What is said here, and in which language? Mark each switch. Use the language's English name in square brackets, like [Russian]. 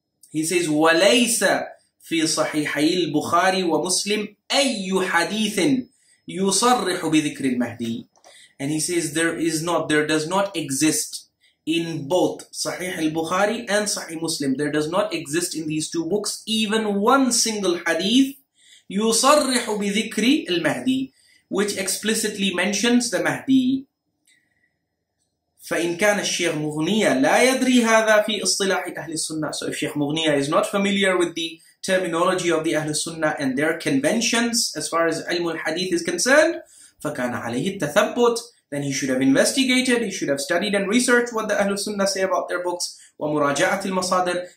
[English] He says, [Arabic] وليس في صحيحي البخاري ومسلم أي حديث يصرح بذكر المهدي. [English] And he says, there does not exist in both Sahih al-Bukhari and Sahih Muslim, there does not exist in these two books even one single hadith يصرح بذكر المهدي, which explicitly mentions the Mahdi. [Arabic] فإن كان الشيخ مغنية لا يدري هذا في اصطلاح أهل السنة. [English] So if Sheikh Mughniya is not familiar with the terminology of the Ahl al-Sunnah and their conventions as far as ilm al-hadith is concerned, [Arabic] فكان عليه التثبت. [English] Then he should have investigated, he should have studied and researched what the Ahlul Sunnah say about their books. [Arabic] وَمُرَاجَعَةِ الْمَصَادِرِ.